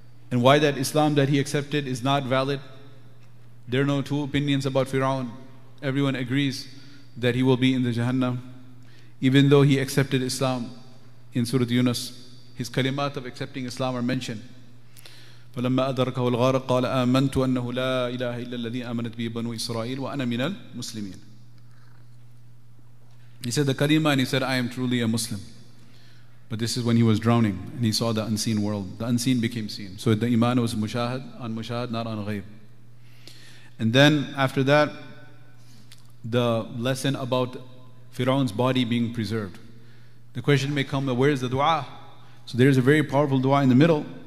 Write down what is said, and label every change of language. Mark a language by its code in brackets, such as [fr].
[en] And why that Islam that he accepted is not valid. There are no two opinions about Fir'aun. Everyone agrees that he will be in the Jahannam, even though he accepted Islam. In Surah Yunus, his kalimat of accepting Islam are mentioned. [ar] فَلَمَّا أَدَرَكَهُ الْغَارَقُ قَالَ آمَنْتُ أَنَّهُ لَا إِلَهَ إِلَّا الَّذِي آمَنَتْ بِهِ بَنُو إِسْرَائِيلَ وَأَنَا مِنَ الْمُسْلِمِينَ. [en] He said the kalima and he said, I am truly a Muslim. But this is when he was drowning and he saw the unseen world. The unseen became seen. So the iman was mushahad, on mushahad, not on ghayb. And then after that, the lesson about Fir'aun's body being preserved. The question may come, where is the dua? So there is a very powerful dua in the middle.